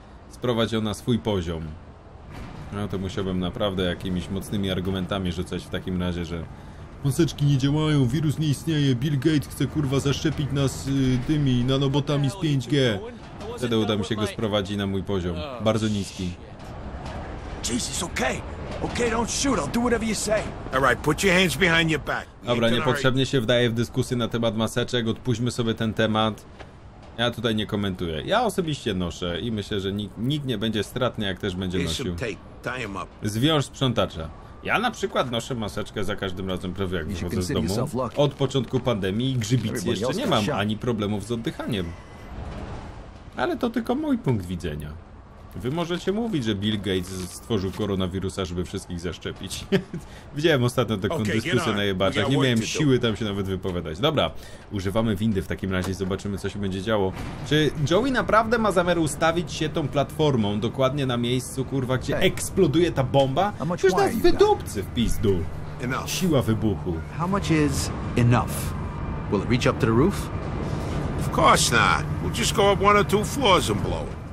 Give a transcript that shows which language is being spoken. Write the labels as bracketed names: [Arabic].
[Polish] Sprowadzi ona swój poziom. No to musiałbym naprawdę jakimiś mocnymi argumentami rzucać w takim razie, że maseczki nie działają, wirus nie istnieje, Bill Gates chce kurwa zaszczepić nas tymi nanobotami z 5G. Wtedy uda mi się go sprowadzić na mój poziom. Bardzo niski. Jesus, okej. [English] Okej, don't shoot, I'll do whatever you say. Alright, put your hands behind your back. [Polish] Dobra, niepotrzebnie się wdaję w dyskusję na temat maseczek, odpuśćmy sobie ten temat. Ja tutaj nie komentuję. Ja osobiście noszę i myślę, że nikt nie będzie stratny, jak też będzie nosił. Zwiąż sprzątacza. Ja na przykład noszę maseczkę za każdym razem prawie jak wychodzę z domu. Od początku pandemii grzybicy jeszcze nie mam, ani problemów z oddychaniem. Ale to tylko mój punkt widzenia. Wy możecie mówić, że Bill Gates stworzył koronawirusa, żeby wszystkich zaszczepić. Widziałem ostatnio taką dyskusję na jebaczach, nie miałem siły tam się nawet wypowiadać. Dobra, używamy windy w takim razie i zobaczymy, co się będzie działo. Czy Joey naprawdę ma zamiar ustawić się tą platformą dokładnie na miejscu, kurwa, gdzie eksploduje ta bomba? Przecież nas wydupcy w pizdu. Siła wybuchu. [English] How much is enough? Will it reach up to the roof? Of course not. We'll just go up one or two floors and blow it.